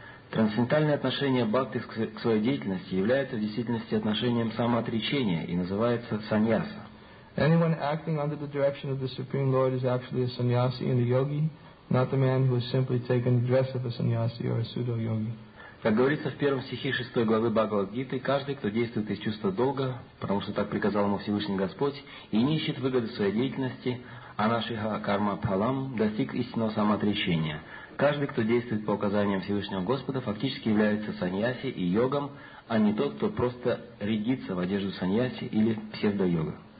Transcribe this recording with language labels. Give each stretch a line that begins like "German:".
Russian: Трансцендентальное отношение бхакты к своей деятельности является в действительности отношением самоотречения и называется саньяса.
English: Anyone acting under the direction of the Supreme Lord is actually a sannyasi and a yogi, not the man who has simply taken the dress of a sannyasi or a pseudo-yogi.
Russian: Как говорится в первом стихе 6 главы Бхагавад-гиты, каждый, кто действует из чувства долга, потому что так приказал ему Всевышний Господь, и не ищет выгоды своей деятельности,
Sanskrit: анашиха карма пхалам,
Russian: достиг истинного самоотречения. Каждый, кто действует по указаниям Всевышнего Господа, фактически является саньяси и йогом, а не тот, кто просто рядится в одежду саньяси или псевдо-йога.